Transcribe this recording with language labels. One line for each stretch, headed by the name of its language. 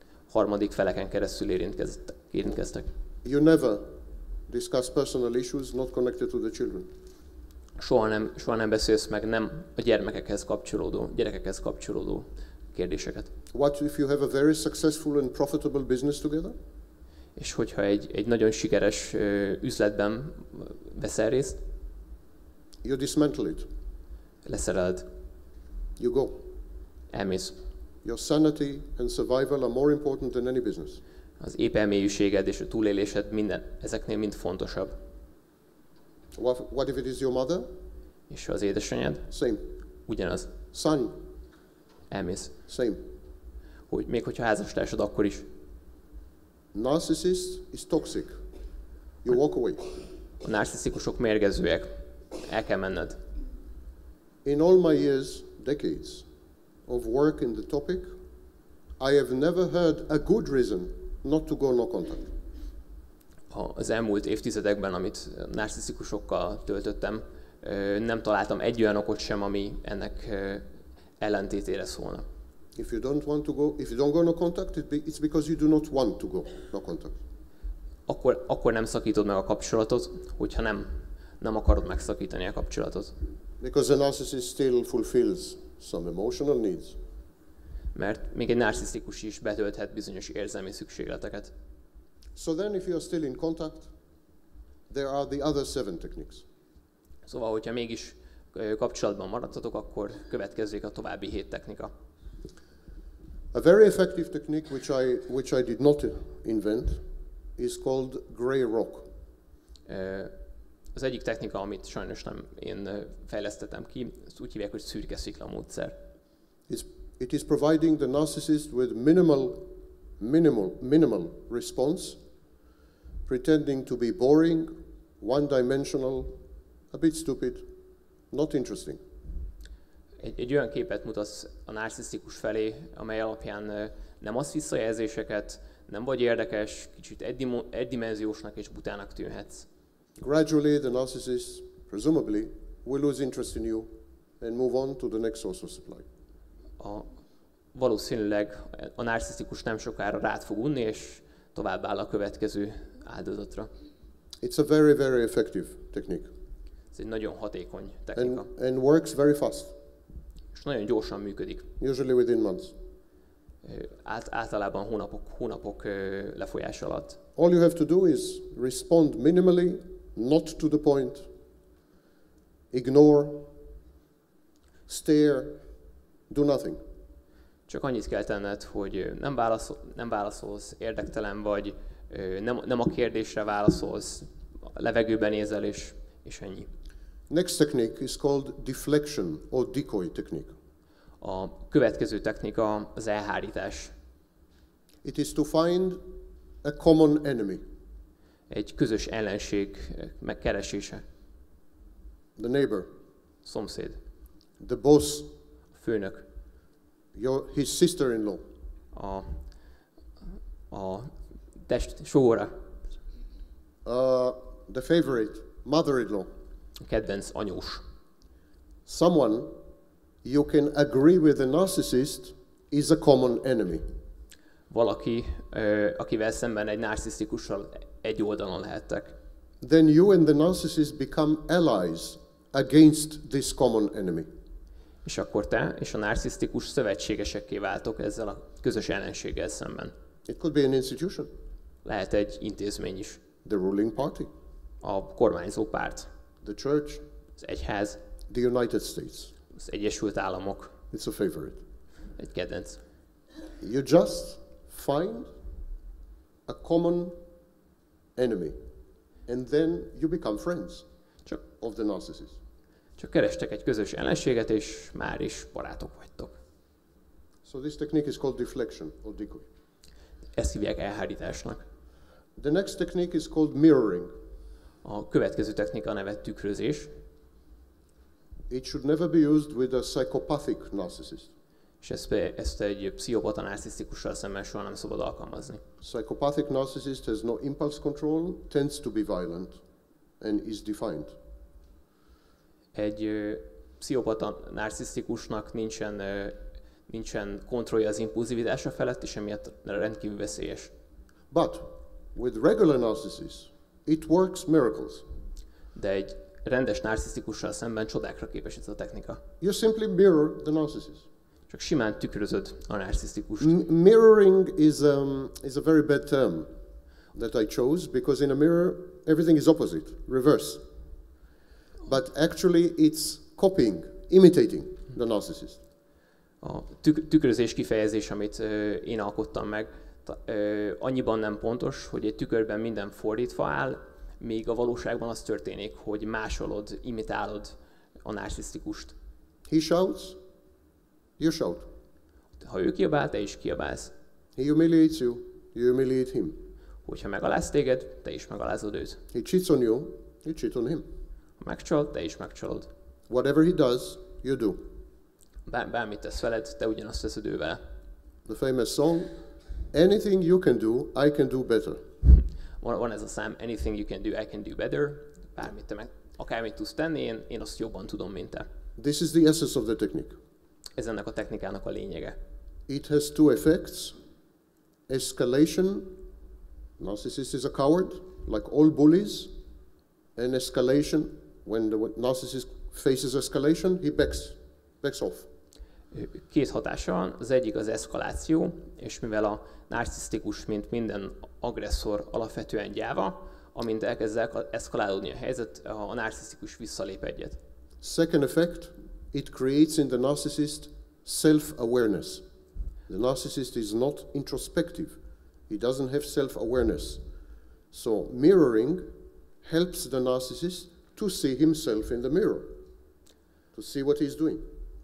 Hungarian: Harmadik feleken keresztül érintkeztek.
English: You never discuss personal issues not connected to the children.
Hungarian: Soha nem beszélsz meg nem a gyerekekhez kapcsolódó kérdéseket.
English: What if you have a very successful and profitable business together?
Hungarian: És hogyha egy nagyon sikeres üzletben veszel részt?
English: You dismantle it.
Hungarian: Leszereled.
English: You go.
Hungarian: Elmész.
English: Your sanity and survival are more important than any business.
Hungarian: Az épp elmélyűséged és a túlélésed minden ezeknél mind fontosabb.
English: What if it is your mother?
Hungarian: És az édesanyád?
English: Same.
Hungarian: Ugyanaz.
English: Son.
Hungarian: Elmész.
English: Same.
Hungarian: Hogy még hogyha házastársad, akkor is.
English: Narcissist is toxic. You walk away.
Hungarian: A narcisztikusok mérgezőek. El kell menned.
English: In all my years, decades of work in the topic, I have never heard a good reason not to go no contact.
Hungarian: Az elmúlt évtizedekben, amit narcisztikusokkal töltöttem, nem találtam egy olyan okot sem, ami ennek ellentétére szólna.
English: If you don't want to go, if you don't go no contact, it's because you do not want to go no contact.
Hungarian: Akkor nem szakítod meg a kapcsolatot, hogyha nem akarod megszakítani a kapcsolatot.
English: Because the narcissist still fulfills some emotional needs.
Hungarian: Mert még egy narcisztikus is betölthet bizonyos érzelmi szükségleteket.
English: So then if you are still in contact, there are the other 7 techniques.
Hungarian: Szóval, hogyha mégis kapcsolatban maradtatok, akkor következik a további 7 technika.
English: A very effective technique which I did not invent is called gray rock.
Hungarian: Az egyik technika, amit sajnos nem én fejlesztettem ki, ezt úgy hívják, hogy szürke szikla módszer.
English: It is providing the narcissist with minimal minimal response, pretending to be boring, one-dimensional, a bit stupid, not interesting.
Hungarian: Egy olyan képet mutatsz a narcisztikus felé, amely alapján nem az visszajelzéseket, nem vagy érdekes, kicsit egydimenziósnak és butának tűnhetsz.
English: Gradually the narcissist, presumably, will lose interest in you and move on to the next source of supply.
Hungarian: Valószínűleg a narcisztikus nem sokára rád fog unni, és tovább áll a következő áldozatra.
English: It's a very, very effective technique.
Hungarian: Ez egy nagyon hatékony technika.
English: And works very fast.
Hungarian: És nagyon gyorsan működik.
English: Usually within months.
Hungarian: Általában hónapok lefolyása alatt.
English: All you have to do is respond minimally, not to the point, ignore, stare, do nothing.
Hungarian: Csak annyit kell tenned, hogy nem válaszolsz, érdektelen vagy, nem a kérdésre válaszolsz, a levegőben nézel, és ennyi.
English: Next technique is called deflection or decoy technique.
Hungarian: A következő technika az elhárítás.
English: It is to find a common enemy.
Hungarian: Egy közös ellenség megkeresése.
English: The neighbor.
Hungarian: Szomszéd.
English: The boss.
Hungarian: A főnök.
English: His sister-in-law.
Hungarian: A test sógora.
English: The favorite, mother-in-law.
Hungarian: A kedvenc anyós.
English: Someone you can agree with a narcissist is a common enemy.
Hungarian: Valaki, akivel szemben egy narcisztikussal egy oldalon lehettek.
English: Then you and the narcissist become allies against this common enemy.
Hungarian: És akkor te és a narcisztikus szövetségesekké váltok ezzel a közös ellenséggel szemben.
English: It could be an institution.
Hungarian: Lehet egy intézmény is.
English: The ruling party.
Hungarian: A kormányzó párt.
English: The church.
Hungarian: Az egyház.
English: The United States.
Hungarian: Az Egyesült Államok.
English: It's a favorite.
Hungarian: Egy kedvenc.
English: You just find a common enemy, and then you become friends of the narcissist.
Hungarian: Csak kerestek egy közös ellenséget, és már is barátok vagytok.
English: So this technique is called deflection or decoy.
Hungarian: Ezt hívják elhárításnak.
English: The next technique is called mirroring.
Hungarian: A következő technika a neve tükrözés.
English: It should never be used with a psychopathic narcissist.
Hungarian: És ezt egy pszichopata narcisztikussal szemben soha nem szabad alkalmazni.
English: Psychopathic narcissist has no impulse control, tends to be violent, and is defined.
Hungarian: Egy pszichopata narcisztikusnak nincsen kontrollja az impulzivitása felett, és emiatt rendkívül veszélyes.
English: But with regular narcissists, it works miracles.
Hungarian: De egy rendes narcisztikussal szemben csodákra képes ez a technika.
English: You simply mirror the narcissist.
Hungarian: Csak simán tükrözöd a narcisztikust.
English: Mirroring is a very bad term that I chose, because in a mirror everything is opposite, reverse. But actually it's copying, imitating the narcissist.
Hungarian: A tükrözés kifejezés, amit én alkottam meg, annyiban nem pontos, hogy egy tükörben minden fordítva áll, míg a valóságban az történik, hogy másolod, imitálod a narcisztikust.
English: He shouts, you shout.
Hungarian: Ha ő kiabál, te is kiabálsz.
English: He humiliates you, you humiliate him.
Hungarian: Hogyha megaláz téged, te is megalázod őt.
English: He cheats on you, you cheat on him.
Hungarian: Ha megcsalod, te is megcsalod.
English: Whatever he does, you do.
Hungarian: Bármit tesz veled, te ugyanazt teszed ővel.
English: The famous song, anything you can do, I can do better.
Hungarian: Van ez a szám,
English: anything you can do, I can do better.
Hungarian: Bármit te meg, akármit tudsz tenni, én azt jobban tudom, mint te.
English: This is the essence of the technique.
Hungarian: Ez ennek a technikának a lényege.
English: It has two effects. Escalation. Narcissist is a coward, like all bullies. And escalation. When the narcissist faces escalation, he backs off.
Hungarian: Két hatása van. Az egyik az eszkaláció, és mivel a narcisztikus, mint minden agresszor alapvetően gyáva, amint elkezd eszkalálódni a helyzet, a narcisztikus visszalép egyet.
English: Second effect, it creates in the narcissist self-awareness. The narcissist is not introspective. He doesn't have self-awareness. So mirroring helps the narcissist to see himself in the mirror, to see what he's doing.